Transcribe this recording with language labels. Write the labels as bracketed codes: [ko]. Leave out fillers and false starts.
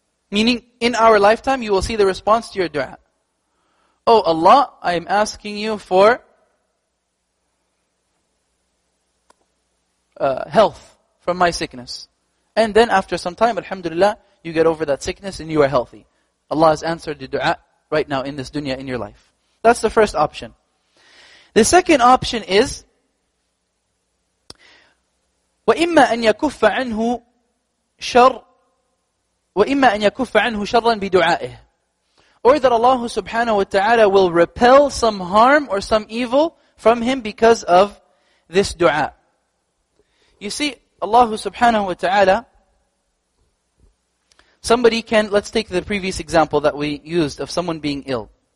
[en] Meaning, in our lifetime, you will see the response to your dua. Oh Allah, I am asking you for health from my sickness. And then after some time, alhamdulillah, you get over that sickness and you are healthy. Allah has answered the dua right now in this dunya in your life. That's the first option. The second option is, [ar] وَإِمَّا أَنْ يَكُفَّ عَنْهُ شَرٌ وَإِمَّا أَنْ يَكُفَّ عَنْهُ شَرًّا بِدُعَائِهِ. [en] Or that Allah subhanahu wa ta'ala will repel some harm or some evil from him because of this dua. You see, Allah subhanahu wa ta'ala, somebody can, let's take the previous example that we used of someone being ill.